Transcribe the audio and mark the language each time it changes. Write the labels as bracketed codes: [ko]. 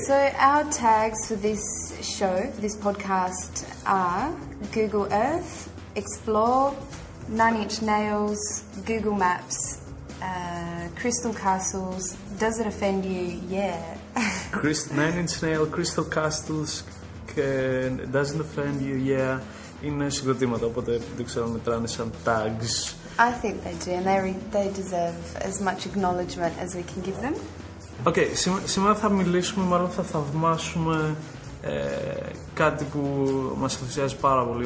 [en] So our tags for this show, for this podcast, are Google Earth, Explore, 9-inch nails, Google Maps, Crystal Castles. Does it offend you? Yeah. 9-inch nail, Crystal Castles, doesn't offend you? Yeah. [el] Είναι συγκροτήματα, οπότε δεν ξέρω αν μετράνε σαν tags. [en] I think they do, and they deserve as much acknowledgement as we can give them. [el] Okay, σήμερα θα μιλήσουμε, μάλλον θα θαυμάσουμε κάτι που μας ενθουσιάζει πάρα πολύ.